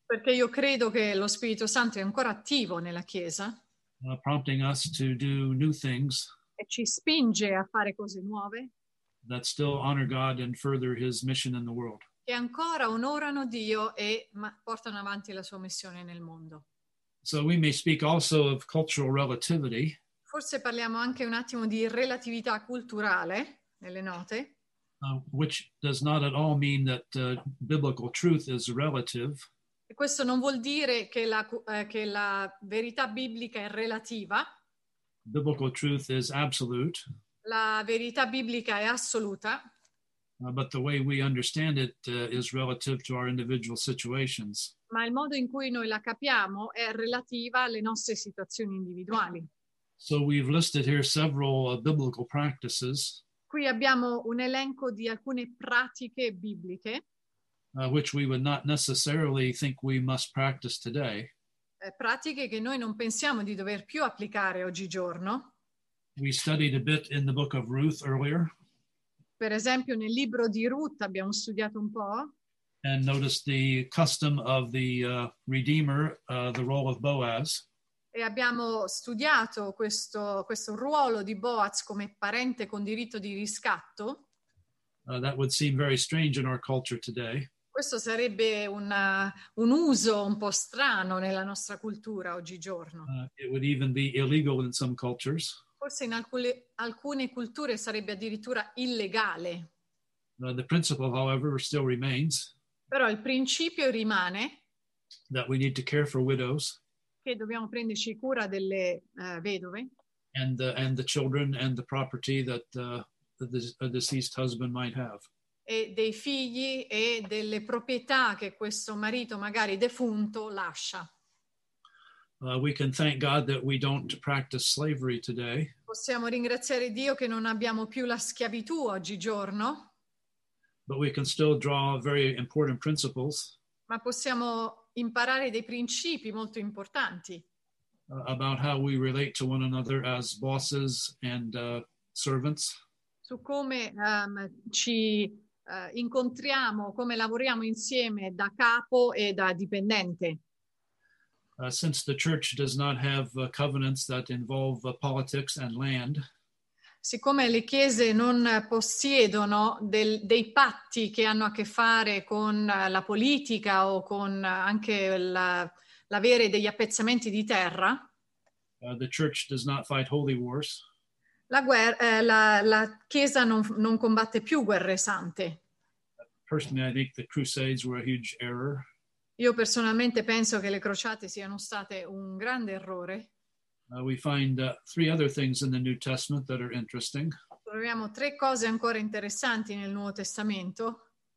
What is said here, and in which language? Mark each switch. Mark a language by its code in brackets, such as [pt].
[it] Perché io credo che lo Spirito Santo è ancora attivo nella Chiesa. [en] Prompting us to do new things. [it] E ci spinge a fare cose nuove. [en] That still honor God and further His mission in the world. [it] Che ancora onorano Dio e portano avanti la sua missione nel mondo. [en] So we may speak also of cultural relativity. [it] Forse parliamo anche un attimo di relatività culturale nelle note. [en] Which does not at all mean that biblical truth is relative. [it] E questo non vuol dire che la verità biblica è relativa. [en] Biblical truth is absolute. [it] La verità biblica è assoluta. [en] But the way we understand it is relative to our individual situations. [it] Ma il modo in cui noi la capiamo è relativa alle nostre situazioni individuali. [en] So we've listed here several biblical practices. [it] Qui abbiamo un elenco di alcune pratiche bibliche. [en] Which we would not necessarily think we must practice today. [it] Pratiche che noi non pensiamo di dover più applicare oggigiorno. [en] We studied a bit in the book of Ruth earlier. [it] Per esempio, nel libro di Ruth abbiamo studiato un po'. [en] And noticed the custom of the Redeemer, the role of Boaz. [it] E abbiamo studiato questo ruolo di Boaz come parente con diritto di riscatto. [en] That would seem very strange in our culture today. [it] Questo sarebbe un uso un po' strano nella nostra cultura oggigiorno. [en] It would even be illegal in some cultures. [it] Forse in alcune culture sarebbe addirittura illegale. [en] The principle, however, still remains. [it] Però il principio rimane. [en] That we need to care for widows. [it] Che dobbiamo prenderci cura delle vedove. [en] And the children and the property that the deceased husband might have. [it] e dei figli e delle proprietà che questo marito magari defunto lascia. [en] We can thank God that we don't practice slavery today. [it] Possiamo ringraziare Dio che non abbiamo più la schiavitù oggigiorno. [en] But we can still draw very important principles. [it] Ma possiamo imparare dei principi molto importanti. [en] About how we relate to one another as bosses and servants. [it] Su come ci incontriamo, come lavoriamo insieme da capo e da dipendente. [en] Since the church does not have covenants that involve politics and land. [it] Siccome le chiese non possiedono dei patti che hanno a che fare con la politica o con anche l'avere degli appezzamenti di terra. [en] The church does not fight holy wars. [it] La chiesa non combatte più guerre sante. [en] Personally, I think the crusades were a huge error. [it] Io personalmente penso che le crociate siano state un grande errore. [en] We find three other things in the New Testament that are interesting. [it] Troviamo tre cose ancora interessanti nel Nuovo Testamento.